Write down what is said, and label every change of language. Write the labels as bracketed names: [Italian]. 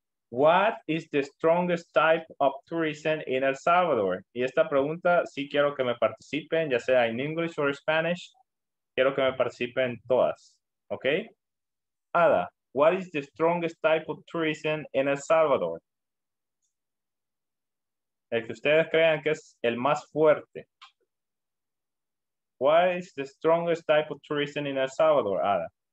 [English] What is the strongest type of tourism in El Salvador? [Spanish] Y esta pregunta sí quiero que me participen, ya sea en [English] English or Spanish. [Spanish] Quiero que me participen todas. Okay? [English] Ada, what is the strongest type of tourism in El Salvador? [Spanish] El que ustedes crean que es el más fuerte. [English] What is the strongest type of tourism in El Salvador, Ada?